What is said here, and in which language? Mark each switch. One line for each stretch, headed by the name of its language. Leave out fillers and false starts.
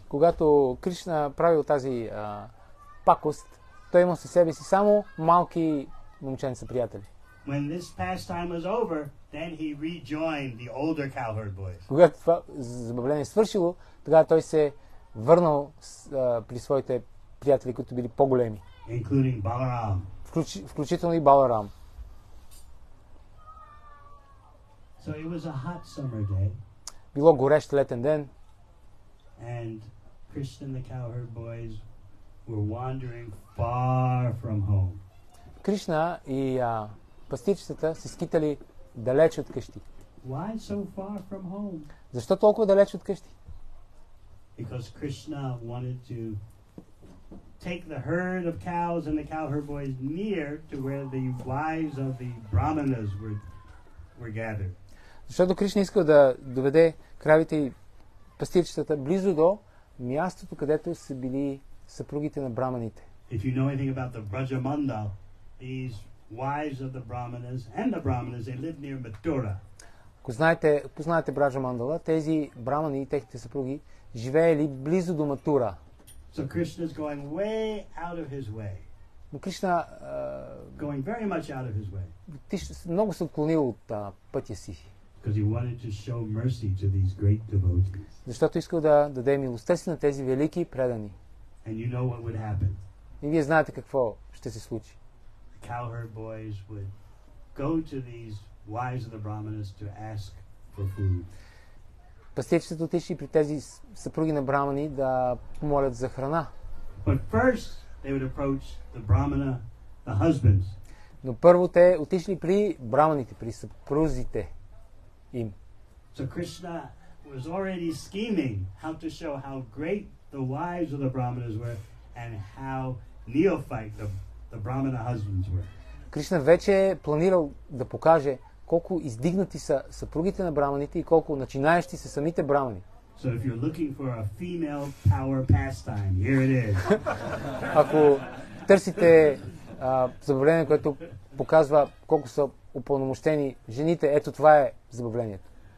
Bulgarian: Когато Кришна правил тази пакост, той имал със себе си само малки момченца приятели.
English: When this pastime was over, then he rejoined the older cowherd boys.
Bulgarian: Когато това забавление свършило, тогава той се върнал при своите приятели, които били по-големи.
English: Including Balaram.
Bulgarian: Включително и Баларам.
English: So it was a hot summer day.
Bulgarian: Било горещ летен ден.
English: And Christian and the cowherd boys were wandering far from home.
Bulgarian: Кришна и пастирчетата се скитали далеч от къщи.
English: Why so far from home?
Bulgarian: Защо толкова далеч от къщи?
English: Because Krishna wanted to take the herd of cows and the cowherd boys near to where the wives of the brahmanas were gathered.
Bulgarian: Защото Кришна искал да доведе кравите и пастирчетата близо до мястото, където са били съпругите на браманите.
English: If you know anything about the Braja Mandal, these wives of the brahmanas and the brahmanas, they live near Mathura.
Bulgarian: Ако знаете, познаете Браджа Мандала, тези брамани и техните съпруги живеели близо до Матура.
English: So Krishna is going way out of his way.
Bulgarian: Но Кришна
English: going very much out of his way.
Bulgarian: Много се отклонил от пътя си.
English: Because he wanted to show mercy to these great devotees.
Bulgarian: Защото искал да даде милостеси на тези велики предани.
English: And you know what would happen.
Bulgarian: И вие знаете какво ще се случи.
English: The cowherd boys would go to these wives of the brahmanas to ask for food.
Bulgarian: Пастирчетата отишли при тези съпруги на брамани да помолят за храна.
English: But first they would approach the brahmana, the husbands.
Bulgarian: Но първо те отишли при браманите, при съпрузите. Им.
English: So Krishna was already scheming how to show how great the wives of the brahmanas were and how neophyte the brahmana husbands were.
Bulgarian: Кришна вече е планирал да покаже колко издигнати са съпругите на браманите и колко начинаещи са самите брамани.
English: So if you're looking for a female power pastime, here it is.
Bulgarian: Ако търсите забавление, което показва колко са упълномощени жените, ето това е забавлението.